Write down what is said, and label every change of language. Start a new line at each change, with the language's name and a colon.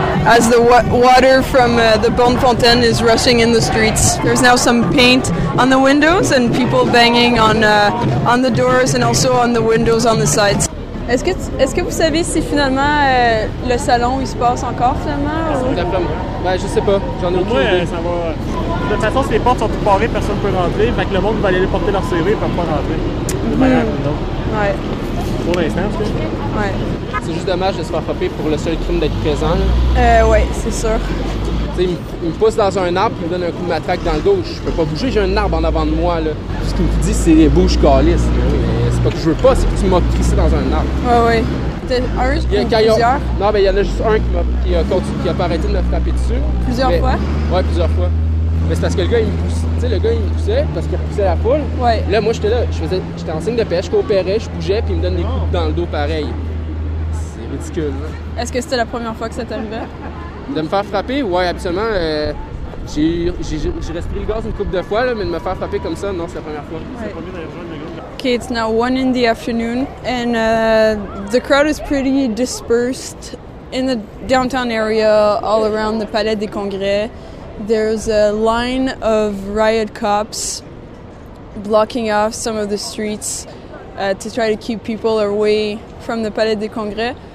English: As the water from the bonne fontaine is rushing in the streets. There's now some paint on the windows and people banging on the doors and also on the windows on the sides.
French: Est-ce que vous savez si finalement le salon il se passe encore finalement? Ça va d'après moi. Ben, je sais pas. J'en ai aucune idée. Ça va. De toute façon, si les portes sont toutes barrées, personne ne peut rentrer. Fait que le monde va aller porter leur serrure et ne peut pas rentrer. Ouais. Pour l'instant, c'est ça? Ouais. C'est juste dommage de se faire frapper pour le seul crime d'être présent. Ouais, c'est sûr. T'sais, il me pousse dans un arbre, il me donne un coup de matraque dans le dos. Je peux pas bouger, j'ai un arbre en avant de moi. Là. Ce qu'il me dit, c'est bouge calice. Mais c'est pas que je veux pas, c'est que tu m'as crissé dans un arbre. Ouais, ouais. T'es un, ou plusieurs? Non, mais il y en a juste un qui a pas arrêté de me frapper dessus. Plusieurs fois? Ouais, plusieurs fois. Mais c'est parce que le gars, il me poussait. Tu sais, le gars, il me poussait parce qu'il repoussait la poule. Ouais. Là, moi, j'étais là, j'étais en signe de paix, je coopérais, je bougeais, puis il me donne des coups dans le dos pareil. C'est ridicule. Hein? Est-ce que c'était la première fois que ça t'arrivait? De me faire frapper, ouais, absolument. J'ai respiré le gaz une couple de fois, là, mais de me faire frapper comme ça, non, c'est la première fois. C'est le premier d'aller rejoindre le groupe.
English: Okay, it's now 1 p.m, and the crowd is pretty dispersed in the downtown area, all around the Palais des Congrès. There's a line of riot cops blocking off some of the streets to try to keep people away from the Palais des Congrès.